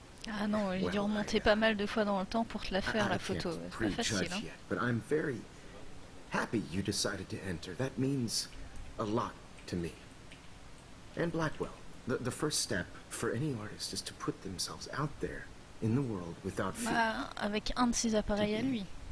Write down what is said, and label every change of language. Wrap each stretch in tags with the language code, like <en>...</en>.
<fr>Ah non, il a dû remonter pas mal de fois dans le temps pour te la faire, la photo.</fr> <en>I can't prejudge yet, but I'm very happy you decided to enter. That means a lot to me. And Blackwell, the first step for any artist is to put themselves out there in the world without fear.</en> <fr>Bah, avec un de ses appareils à lui.</fr>